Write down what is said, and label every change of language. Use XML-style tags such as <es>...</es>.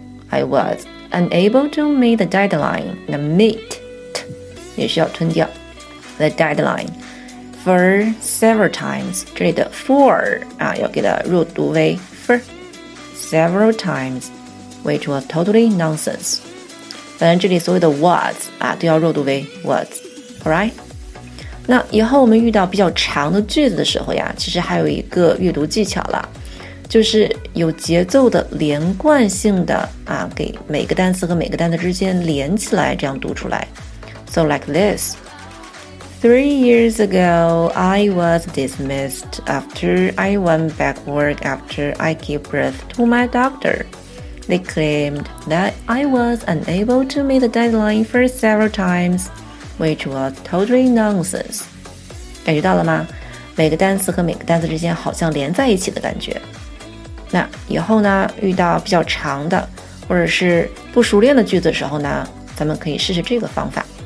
<en>I was unable to meet the deadline, 那 meet,</en> <zh>也需要吞掉。</zh> <en>The deadline, for several times,</en> <zh>这里的</zh> <en>for,</en> <zh>啊要给它弱读为</zh> <en>for, several times, which was totally nonsense.</en> <zh>反正这里所有的 was 啊都要弱读为 was，</zh> <en>alright。</en> <zh>那以后我们遇到比较长的句子的时候呀，其实还有一个阅读技巧了，就是有节奏的连贯性的啊，给每个单词和每个单词之间连起来，这样读出来。</zh> <en>So like this. 3 years ago, I was dismissed after I went back work after I gave birth to my daughter. They claimed that I was unable to meet the deadline for several times, which was totally nonsense.</en> <zh>感觉到了吗？每个单词和每个单词之间好像连在一起的感觉。那以后呢，遇到比较长的或者是不熟练的句子的时候呢，咱们可以试试这个方法。</zh>